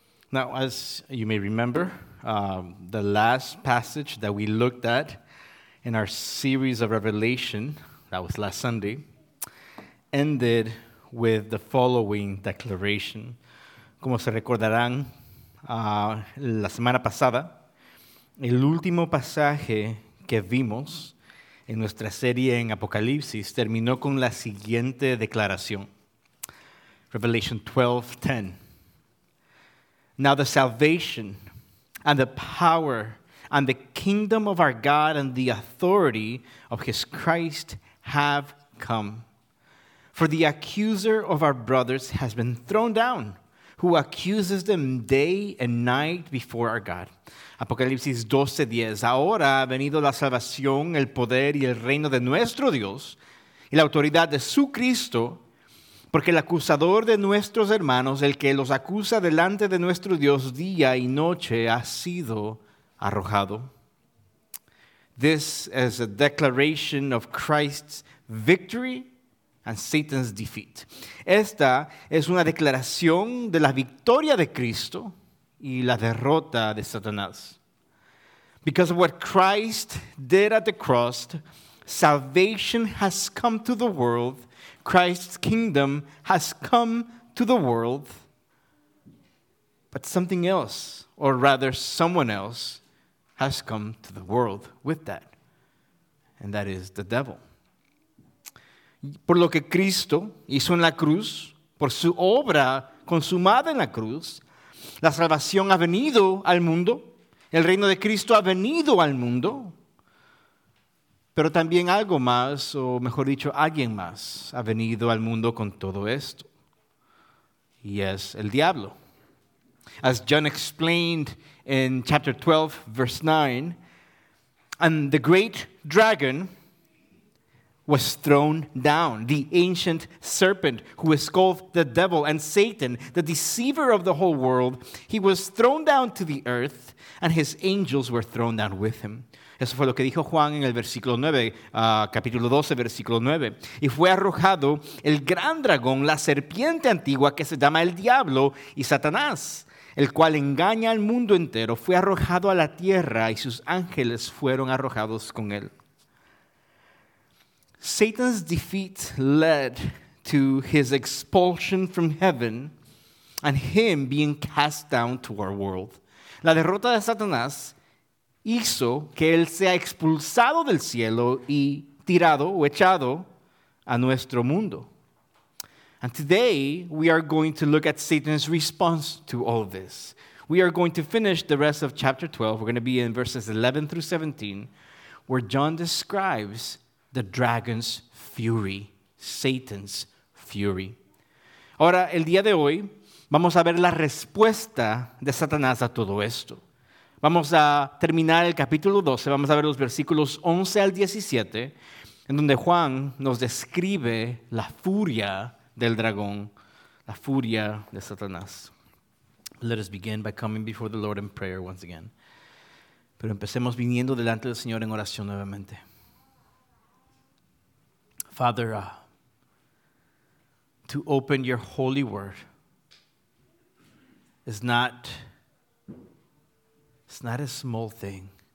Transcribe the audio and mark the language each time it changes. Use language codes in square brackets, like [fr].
[en] Now, as you may remember, the last passage that we looked at in our series of Revelation, that was last Sunday, ended with the following declaration. [es] Como se recordarán, la semana pasada, el último pasaje que vimos en nuestra serie en Apocalipsis terminó con la siguiente declaración. [en] Revelation 12:10. Now the salvation and the power and the kingdom of our God and the authority of his Christ have come. For the accuser of our brothers has been thrown down, who accuses them day and night before our God. [es] Apocalipsis 12:10. Ahora ha venido la salvación, el poder y el reino de nuestro Dios y la autoridad de su Cristo, porque el acusador de nuestros hermanos, el que los acusa delante de nuestro Dios día y noche, ha sido arrojado. [en] This is a declaration of Christ's victory and Satan's defeat. [es] Esta es una declaración de la victoria de Cristo y la derrota de Satanás. [en] Because of what Christ did at the cross, salvation has come to the world. Christ's kingdom has come to the world. But something else, or rather someone else, has come to the world with that. And that is the devil. [es] Por lo que Cristo hizo en la cruz, por su obra consumada en la cruz, la salvación ha venido al mundo, el reino de Cristo ha venido al mundo, pero también algo más, o mejor dicho, alguien más, ha venido al mundo con todo esto, y es el diablo. [en] As John explained in chapter 12, verse 9, and the great dragon was thrown down, the ancient serpent who is called the devil and Satan, the deceiver of the whole world. He was thrown down to the earth, and his angels were thrown down with him. [es] Eso fue lo que dijo Juan en el versículo 9, capítulo 12, versículo 9. Y fue arrojado el gran dragón, la serpiente antigua que se llama el diablo y Satanás, el cual engaña al mundo entero. Fue arrojado a la tierra y sus ángeles fueron arrojados con él. [en] Satan's defeat led to his expulsion from heaven and him being cast down to our world. [es] La derrota de Satanás hizo que él sea expulsado del cielo y tirado o echado a nuestro mundo. [en] And today we are going to look at Satan's response to all this. We are going to finish the rest of chapter 12. We're going to be in verses 11 through 17, where John describes the dragon's fury, Satan's fury. [es] Ahora, el día de hoy, vamos a ver la respuesta de Satanás a todo esto. Vamos a terminar el capítulo 12, vamos a ver los versículos 11 al 17, en donde Juan nos describe la furia del dragón, la furia de Satanás. [en] Let us begin by coming before the Lord in prayer once again. [es] Pero empecemos viniendo delante del Señor en oración nuevamente. [en] Father, to open your holy word is not a small thing.